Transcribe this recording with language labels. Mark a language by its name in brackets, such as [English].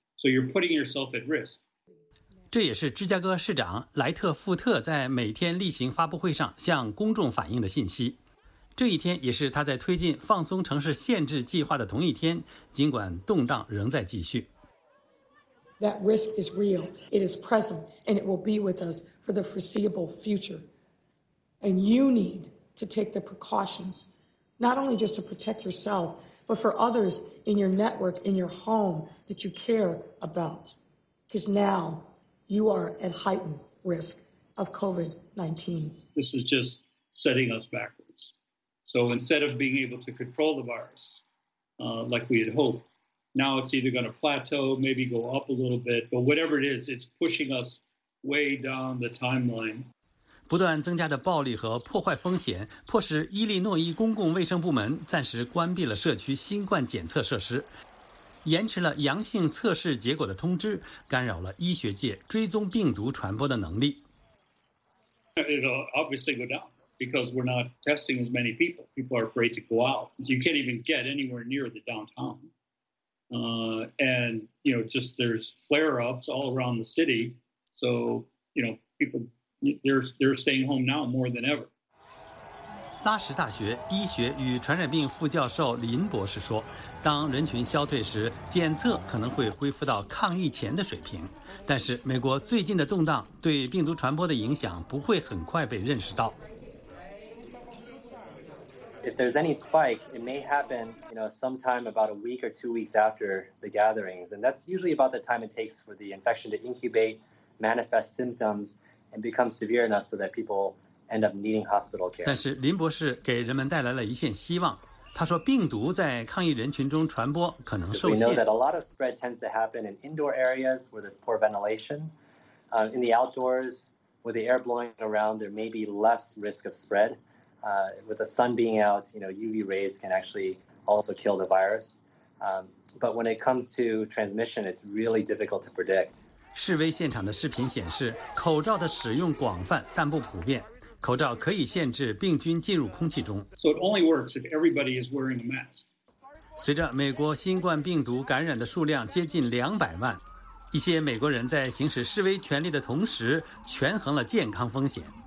[English] So you're putting yourself at risk. [Chinese] 这也是芝加哥市长莱特富特在每天例行发布会上向公众反映的信息。这一天也是他在推进放松城市限制计划的同一天，尽管动荡仍在继续。 [English] That risk is real, it is present, and it will be with us for the foreseeable future. And you need to take the precautions, not only just to protect yourself, but for others in your network, in your home that you care about. Because now,You are at heightened risk of COVID-19. This is just setting us backwards. So instead of being able to control the virus, like we had hoped, now it's either going to plateau, maybe go up a little bit, but whatever it is, it's pushing us way down the timeline. [Chinese] 不断增加的暴力和破坏风险迫使伊利诺伊公共卫生部门暂时关闭了社区新冠检测设施。延迟了阳性测试结果的通知，干扰了医学界追踪病毒传播的能力。 [English] It'll obviously go down because we're not testing as many people. People are afraid to go out. You can't even get anywhere near the downtown. And you know, just there's flare-ups all around the city. So you know, people they're staying home now more than ever. [Chinese] 拉什大学医学与传染病副教授林博士说，当人群消退时，检测可能会恢复到抗疫前的水平，但是美国最近的动荡对病毒传播的影响不会很快被认识到。 [English] If there's any spike, it may happen, you know, sometime about a week or 2 weeks after the gatherings, and that's usually about the time it takes for the infection to incubate, manifest symptoms, and become severe enough so that people end up needing hospital care. [Chinese] 但是林博士给人们带来了一线希望。他说病毒在抗疫人群中传播可能受限。 [English] We know that a lot of spread tends to happen in indoor areas where there's poor ventilation. In the outdoors, with the air blowing around, there may be less risk of spread. With the sun being out, you know, UV rays can actually also kill the virus. But when it comes to transmission, it's really difficult to predict. [Chinese] 示威现场的视频显示，口罩的使用广泛但不普遍。口罩可以限制病菌进入空气中。 [English] So it only works if everybody is wearing a mask. [Chinese] 随着美国新冠病毒感染的数量接近200万，一些美国人在行使示威权利的同时，权衡了健康风险。